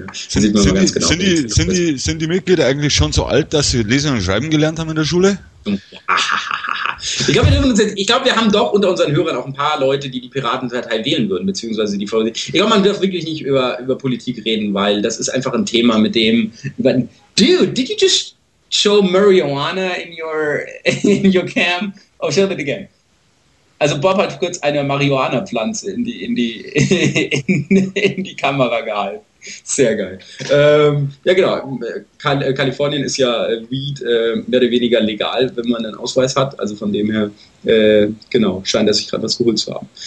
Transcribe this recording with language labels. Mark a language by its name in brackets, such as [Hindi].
[German] Ja? Sind die Mitglieder eigentlich schon so alt, dass sie Lesen und Schreiben gelernt haben in der Schule? Ich glaube, wir haben doch unter unseren Hörern auch ein paar Leute, die die Piratenpartei wählen würden, beziehungsweise die Vorsitzende. Ich glaube, man darf wirklich nicht über Politik reden, weil das ist einfach ein Thema, mit dem... [English] Dude, did you just show marijuana in your cam? Oh, show it again. [German] Also Bob hat kurz eine Marihuana-Pflanze in die Kamera gehalten. Sehr geil. Ja, genau. Kalifornien ist ja Weed mehr oder weniger legal, wenn man einen Ausweis hat. Also von dem her, genau, scheint er sich gerade was geholt zu haben.